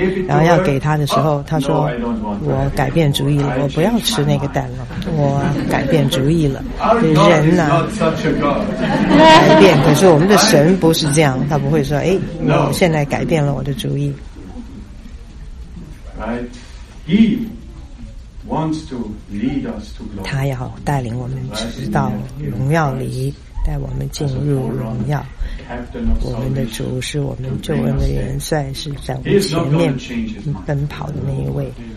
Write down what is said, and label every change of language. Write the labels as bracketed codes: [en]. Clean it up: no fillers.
[zh] 然后要给她的时候，她说我改变主意了，我不要吃那个蛋了。我改变主意了，人呢、改变。可是我们的神不是这样，他不会说：“哎，我现在改变了我的主意。” [en] He wants to lead us to glory. [zh] 他要带领我们直到荣耀里，带我们进入荣耀。我们的主是我们救恩的元帅，是在我们前面奔跑的那一位。